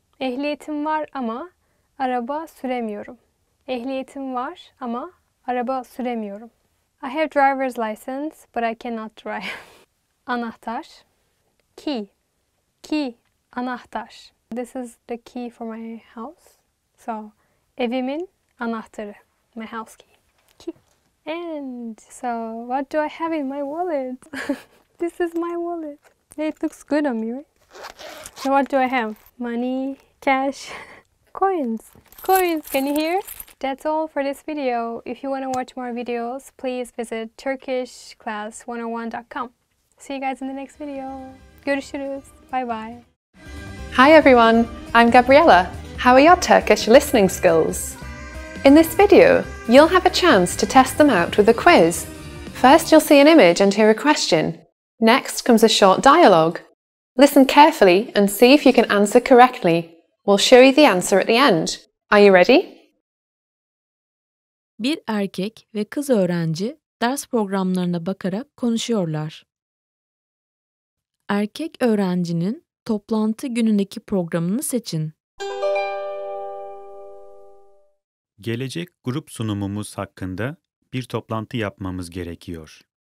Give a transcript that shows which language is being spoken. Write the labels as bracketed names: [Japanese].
[Turkish] Ehliyetim var ama araba süremiyorum. Ehliyetim var ama araba süremiyorum. [English] I have driver's license, but I cannot drive. Anahtar. Key. Key. Anahtar. This is the key for my house. So, [Turkish] evimin anahtarı. [English] My house key. Key. And so, what do I have in my wallet? This is my wallet. It looks good on me, right? So, what do I have? Money, cash, coins. Coins, can you hear? That's all for this video. If you want to watch more videos, please visit TurkishClass101.com. See you guys in the next video. [Turkish] Görüşürüz. [English] Bye-bye. Hi, everyone. I'm Gabriella. How are your Turkish listening skills? In this video, you'll have a chance to test them out with a quiz. First, you'll see an image and hear a question. Next comes a short dialogue. Listen carefully and see if you can answer correctly. We'll show you the answer at the end. Are you ready? [Turkish] Bir erkek ve kız öğrenci ders programlarına bakarak konuşuyorlar. Erkek öğrencinin toplantı günündeki programını seçin. Gelecek grup sunumumuz hakkında bir toplantı yapmamız gerekiyor.